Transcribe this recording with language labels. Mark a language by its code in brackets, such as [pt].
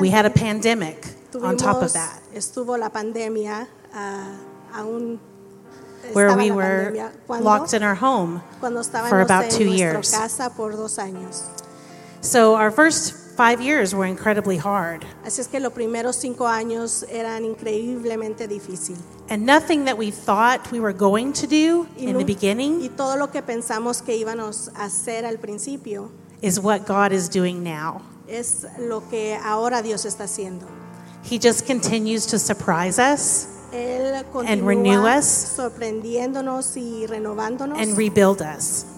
[en] we had a pandemic on top of that. [es] Estuvo la pandemia, aún [en] where we were locked in our home for about 2 years. [es] Casa por dos años. [en] So our first 5 years were incredibly hard. [es] Así es que los primeros 5 años eran increíblemente difícil. [en] And nothing that we thought we were going to do in the beginning, [es] y todo lo que pensamos que íbamos a hacer al principio, [en] is what God is doing now. [es] Es lo que ahora Dios está haciendo. [en] He just continues to surprise us. [es] Él continúa [en] and renew us, [es] sorprendiéndonos y renovándonos, [en] and rebuild us,